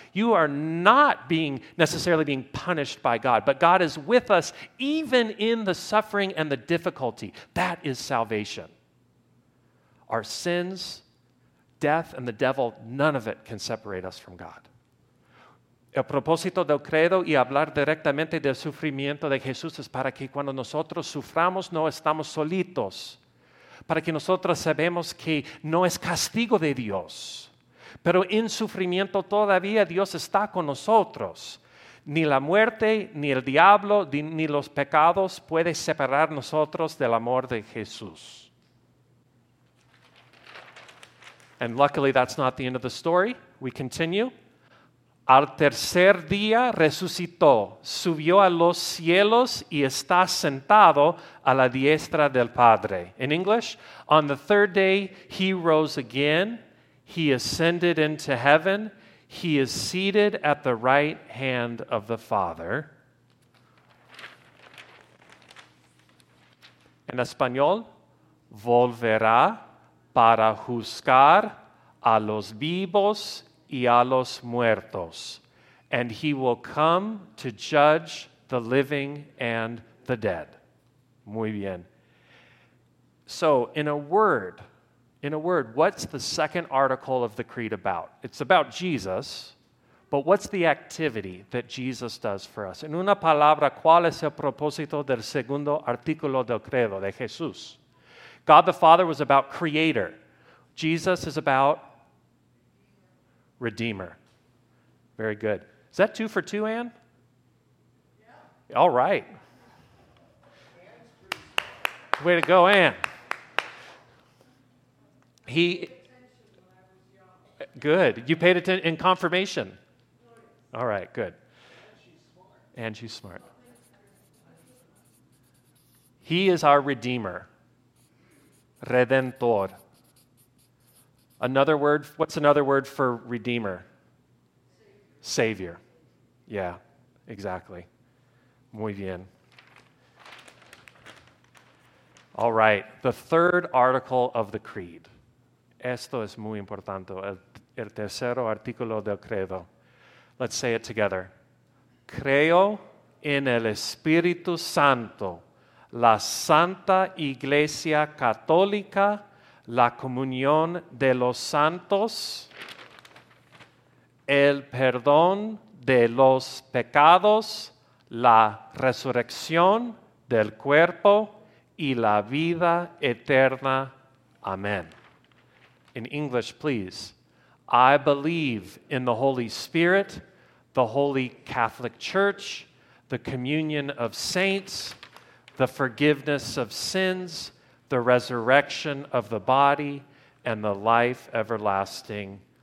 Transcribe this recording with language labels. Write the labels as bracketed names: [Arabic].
[English] You are not necessarily being punished by God. But God is with us even in the suffering and the difficulty. That is salvation. Our sins, death, and the devil, none of it can separate us from God. [Spanish] El propósito del credo y hablar directamente del sufrimiento de Jesús es para que cuando nosotros suframos no estamos solitos, para que nosotros sabemos que no es castigo de Dios, pero en sufrimiento todavía Dios está con nosotros. Ni la muerte, ni el diablo, ni los pecados puede separar nosotros del amor de Jesús. [English] And luckily that's not the end of the story. We continue. [Spanish] Al tercer día resucitó, subió a los cielos y está sentado a la diestra del Padre. [English] In English, on the third day he rose again, he ascended into heaven, he is seated at the right hand of the Father. [Spanish] En español, volverá para juzgar a los vivos y a los muertos, [English] and he will come to judge the living and the dead. [Spanish] Muy bien. [English] So, in a word, what's the second article of the Creed about? It's about Jesus, but what's the activity that Jesus does for us? [Spanish] En una palabra, ¿cuál es el propósito del segundo artículo del credo de Jesús? [English] God the Father was about creator. Jesus is about Redeemer. Very good. Is that two for two, Ann? Yeah. All right. Way to go, Ann. He. Good. You paid attention in confirmation. All right, good. And she's smart. He is our Redeemer. [Spanish] Redentor. [English] Another word, what's another word for redeemer? Savior. Yeah, exactly. [Spanish] Muy bien. [English] All right, the third article of the creed. [Spanish] Esto es muy importante, el tercero artículo del credo. [English] Let's say it together. [Spanish] Creo en el Espíritu Santo, la Santa Iglesia Católica, la comunión de los santos, el perdón de los pecados, la resurrección del cuerpo y la vida eterna. Amén. [English] In English, please. I believe in the Holy Spirit, the Holy Catholic Church, the communion of saints, the forgiveness of sins, the resurrection of the body, and the life everlasting.